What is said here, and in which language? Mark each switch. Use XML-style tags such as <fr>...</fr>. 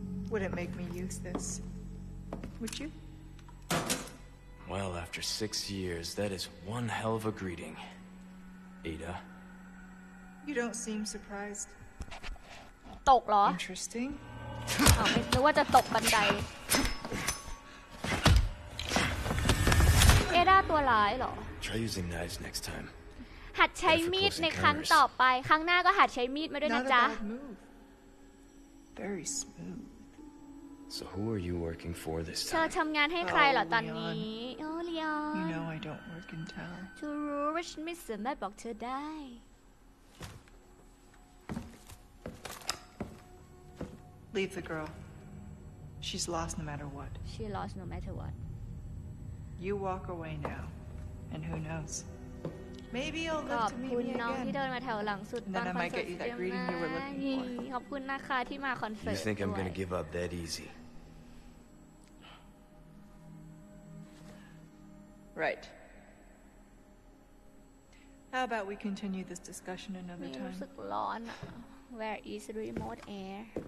<en>Would it make me use this? Would you? Well, after 6 years, that is one hell of a greeting, Ada. You don't seem surprised.</en> <th>ตกเหรอ</th> <en>Interesting.</en> <th>ไม่รู้ว่าจะตกบันไดAda, ตัวร้ายเหรอ</th> <en>Try using knives next time.</en> <th>หัดใช้มีดในครั้งต่อไปครั้งหน้าก็หัดใช้มีดมาด้วยนะจ๊ะ</th> <en>Very smooth. So who are you working for this time?</en> <th>เธอทำงานให้ใครเหรอตอนนี้ Oh Leon</th> <en>You know I don't work in town</en> <th>จะรู้ว่าฉันไม่สามารถบอกเธอได้</th> <en>Leave the girl She's lost no matter what She lost no matter what You walk away now And who knowsMaybe you'll</en> <th>ขอบคุ ณน้ องที่เดินมาแถวหลังสุดตอนคอนเสิร์ตเยี่ยมมากขอบคุณนะคะที่มาคอนเสิร์ตด้วย</th> <en>You think I'm gonna give up that easy? Right. How about we continue this discussion another time?</en> <th>รู้สึกร้อน</th> <en>Where is remote air?</en>